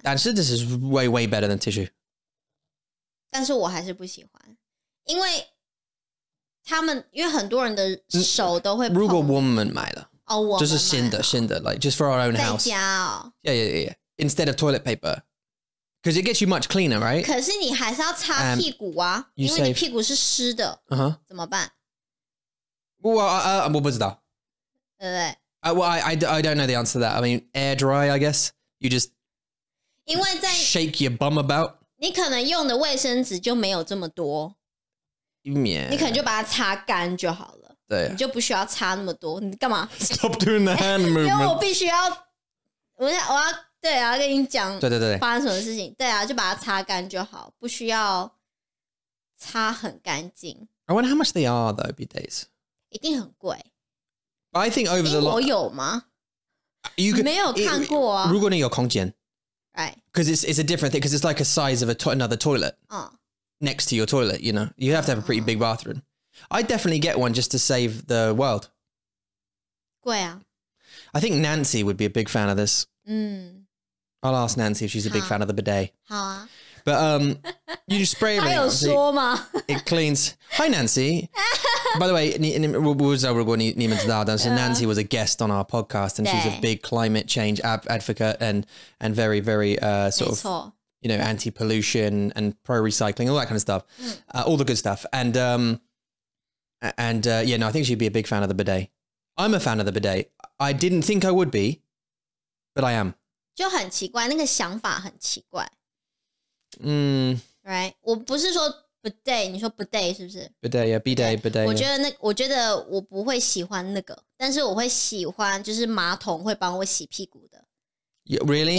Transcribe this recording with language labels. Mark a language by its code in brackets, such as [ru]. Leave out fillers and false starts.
[zh] 但是 [en] this is way way better than tissue。 [zh] 但是我还是不喜欢，因为他们因为很多人的手都会碰。如果我们买了。 [en] Oh, [zh] 就是新的新的 [en] like just for our own house [zh] 在家哦 [en] yeah yeah yeah instead of toilet paper because it gets you much cleaner right [zh] 可是你还是要擦屁股啊 [en] you [zh] 因为你屁股是湿的、 uh-huh. 怎么办我不知道对不对、 [en] Well, I don't know the answer to that I mean air dry I guess you just [zh] 因为在 [en] shake your bum about [zh] 你可能用的卫生纸就没有这么多、 [en] yeah. [zh] 你可能就把它擦干就好了对你就不需要擦那么多你干嘛 [en] Stop doing the hand movement [zh] 因为我必须要我要对啊跟你讲对对对发生什么事情对啊就把它擦干就好不需要擦很干净 [en] I wonder how much they are though bidets [zh] 一定很贵 [en] I think over the [zh] lot 我有吗 [en] you could, [zh] 没有看过啊如果你有空间 [en] Right Because it's a different thing Because it's like a size of another toilet、Next to your toilet you know You have to have a pretty big bathroomI definitely get one just to save the world. [zh] 贵啊 [en] I think Nancy would be a big fan of this. 嗯 I'll ask Nancy if she's a big fan of the bidet. [zh] 好啊 [en] But you just spray it. [zh] 她有说吗 [en] It cleans. Hi Nancy. By the way, [zh] 你我不知道如果你们知道但是 [en] Nancy was a guest on our podcast and she's a big climate change advocate and very, very sort of, you know, anti-pollution and pro-recycling, all that kind of stuff.、嗯 all the good stuff. And, yeah, no, I think she'd be a big fan of the bidet. I'm a fan of the bidet. I didn't think I would be, but I am. [zh] 就很奇怪，那个想法很奇怪。嗯。 [en] Right? [zh] 我不是说 bidet, 你说 bidet 是不是 [en] ?Bidet, yeah, bidet, bidet. [zh] 我觉得那个，我觉得我不会喜欢那个，但是我会喜欢就是马桶会帮我洗屁股的。 [en] Yeah, really?